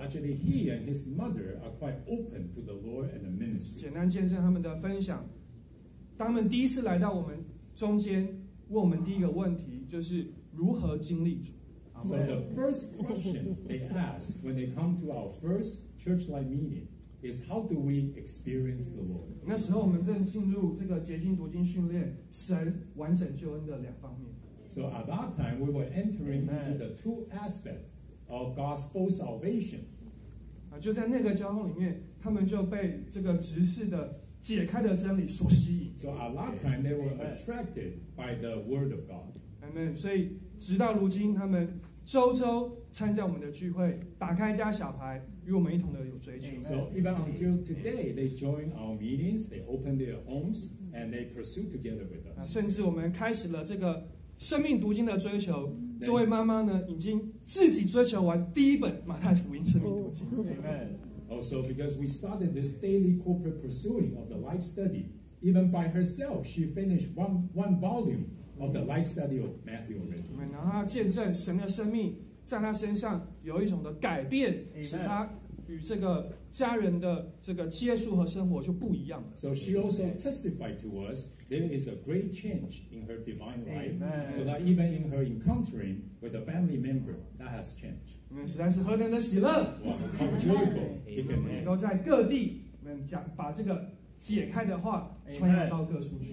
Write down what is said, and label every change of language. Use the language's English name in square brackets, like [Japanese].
[English] Actually, he and his mother are quite open to the Lord and the ministry. [Chinese] 简单见证他们的分享，他们第一次来到我们中间，问我们第一个问题就是如何经历主。 [English] So the first question they ask when they come to our first church-like meeting. Is how do we experience the Lord? [Chinese] 那时候我们正进入这个结晶读经训练，神完整救恩的两方面。 [English] So at that time we were entering into the two aspects of gospel salvation. [Chinese] 就在那个交通里面，他们就被这个执事的解开的真理所吸引。 [English] So at that time they were attracted by the Word of God. Amen. [Chinese] 所以直到如今，他们周周参加我们的聚会，打开一家小牌。与我们一同的有追求。 [English] So even until today, they join our meetings, they open their homes, and they pursue together with us. [Chinese] 甚至我们开始了这个生命读经的追求。 Then, 这位妈妈呢，已经自己追求完第一本马太福音生命读经。 [English] Amen. Also, because we started this daily corporate pursuing of the life study, even by herself, she finished one volume of the life study of Matthew already. [Chinese] 然后她见证神的生命。在他身上有一种的改变，使他与这个家人的这个接触和生活就不一样了。 [English] So she also testified to us there is a great change in her divine life. Amen. So that even in her encountering with a family member, that has changed. [Chinese] 我们实在是何等的喜乐！哇，好 joyful！我们能够在各地，我们讲把这个解开的话传扬到各处去。